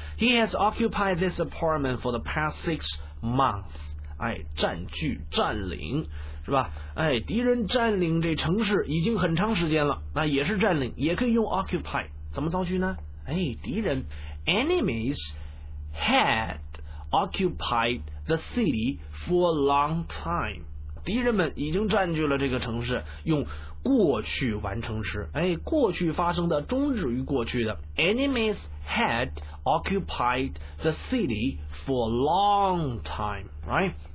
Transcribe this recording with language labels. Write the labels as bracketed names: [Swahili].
[English] He has occupied this apartment for the past 6 months。 [Chinese] 哎，占据、占领，是吧？哎，敌人占领这城市已经很长时间了，那也是占领，也可以用 occupy。怎么造句呢？哎，敌人 [English] enemies had occupied the city for a long time。 [Chinese] 敌人们已经占据了这个城市，用过去完成时，哎，过去发生的，终止于过去的。 [English] Enemies had occupied the city for a long time, right?